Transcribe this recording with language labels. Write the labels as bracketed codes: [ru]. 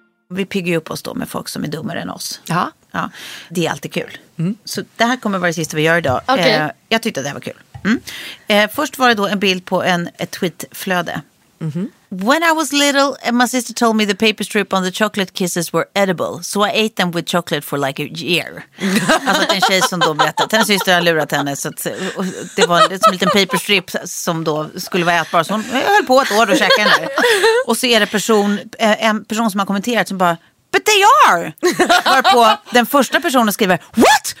[sv] Vi piggar upp oss då med folk som är dummare än oss. Ja. Ja, det är alltid kul. Mm. Så det här kommer vara det sista vi gör idag. Okay. Jag tyckte att det här var kul. Mm. Först var det då en bild på ett tweetflöde. [en] When I was little and my sister told me the paper strip on the chocolate kisses were edible, so I ate them with chocolate for like a year. [sv] Alltså att en tjej som då berättade, hennes syster har lurat henne, så att det var som en liten paper strip som då skulle vara ätbar, så hon höll på ett år och käkade henne. Och så är det en person som har kommenterat som bara, [en] but they are! [sv] Varpå den första personen skriver, what?